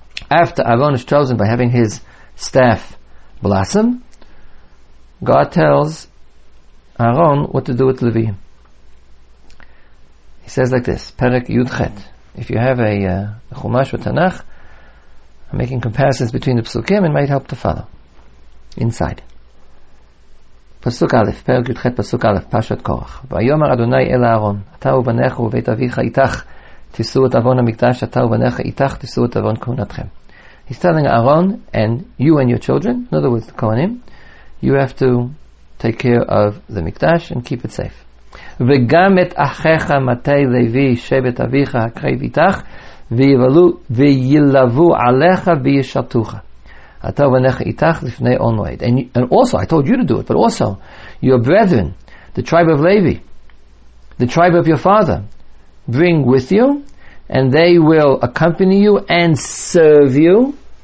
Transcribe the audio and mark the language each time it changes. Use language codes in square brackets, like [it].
[en] After Aaron is chosen by having his staff blossom, God tells Aaron what to do with Levi. He says like this, Perek Yudchet. If you have a Chumash or Tanakh, I'm making comparisons between the Psukim, it might help to follow. Inside. [he] פסוק א', פרק י"ח, פסוק א', פרשת קורח. ויאמר אדוני אל אהרון, אתה ובניך ובית אביך איתך תישאו את עוון המקדש, אתה ובניך איתך תישאו את עוון כהונתכם. [en] He's telling Aaron, and you and your children, in other words, the Kohanim, you have to take care of the מקדש and keep it safe. [he] וגם את אחיך מתי לוי שבט אביך הקרב איתך, וילבו עליך וישרתוך. [en] And also, I told you to do it, but also, your brethren, the tribe of Levi, the tribe of your father, bring with you, and they will accompany you and serve you.